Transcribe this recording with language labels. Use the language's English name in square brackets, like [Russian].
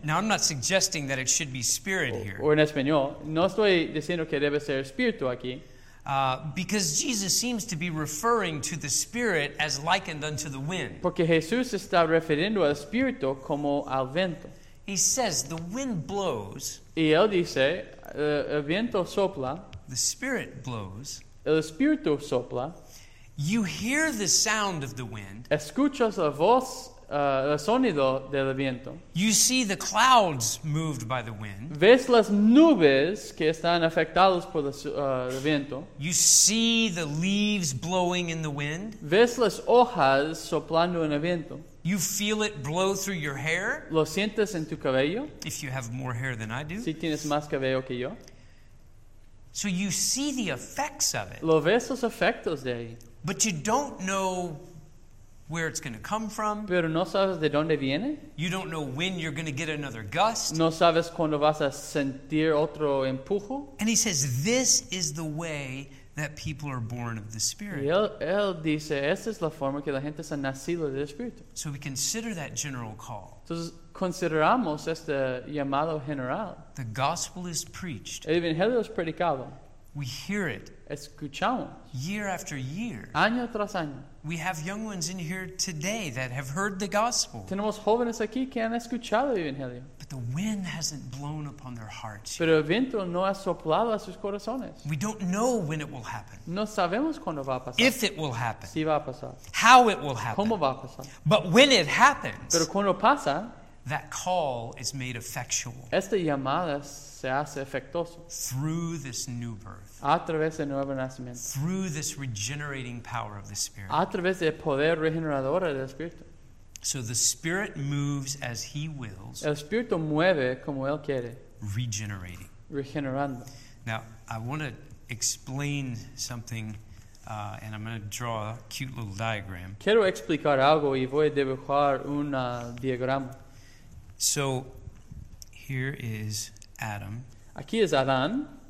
[English] Now, I'm not suggesting that it should be spirit here. [Spanish] O en español. No estoy diciendo que debe ser espíritu aquí. [English] Because Jesus seems to be referring to the spirit as likened unto the wind. [Spanish] Porque Jesús está refiriendo al espíritu como al viento. [English] He says the wind blows. [Spanish] Y él dice, el viento sopla. [English] The spirit blows. [Spanish] El espíritu sopla. [English] You hear the sound of the wind. [Spanish] Escuchas la voz, el sonido del viento. [English] You see the clouds moved by the wind. [Spanish] Ves las nubes que están afectadas por el viento. [English] You see the leaves blowing in the wind. [Spanish] Ves las hojas soplando en el viento. [English] You feel it blow through your hair. [Spanish] Lo sientes en tu cabello. [English] If you have more hair than I do. [Spanish] Si tienes más cabello que yo. [English] So you see the effects of it. [Spanish] Lo ves los efectos de ahí. [English] But you don't know where it's going to come from. [Spanish] Pero no sabes de dónde viene. [English] You don't know when you're going to get another gust. [Spanish] No sabes cuándo vas a sentir otro empujo. [English] And he says, this is the way that people are born of the Spirit. [Spanish] Y él dice, esta es la forma que la gente se ha nacido del Espíritu. [English] So we consider that general call. [Spanish] Entonces, consideramos este llamado general. [English] The gospel is preached. [Spanish] El evangelio es predicado. [English] We hear it. [Spanish] Escuchamos. [English] Year after year. [Spanish] Año tras año. [English] We have young ones in here today that have heard the gospel. [Spanish] Tenemos jóvenes aquí que han escuchado el evangelio. [English] But the wind hasn't blown upon their hearts. [Spanish] Pero el viento no ha soplado a sus corazones. [English] We don't know when it will happen. [Spanish] No sabemos cuándo va a pasar. [English] If it will happen. [Spanish] Si va a pasar. [English] How it will happen. [Spanish] Cómo va a pasar. [English] But when it happens. [Spanish] Pero cuando pasa. [English] That call is made effectual. [Spanish] Esta llamada se hace efectuoso. [English] Through this new birth. [Spanish] A través del nuevo nacimiento. [English] Through this regenerating power of the Spirit. [Spanish] A través del poder regenerador del Espíritu. [English] So the Spirit moves as He wills. [Spanish] El Espíritu mueve como Él quiere. [English] Regenerating. [Spanish] Regenerando. [English] Now, I want to explain something, and I'm going to draw a cute little diagram. [Spanish] Quiero explicar algo y voy a dibujar un diagrama. [English] So, here is Adam. [Spanish] Aquí es Adán.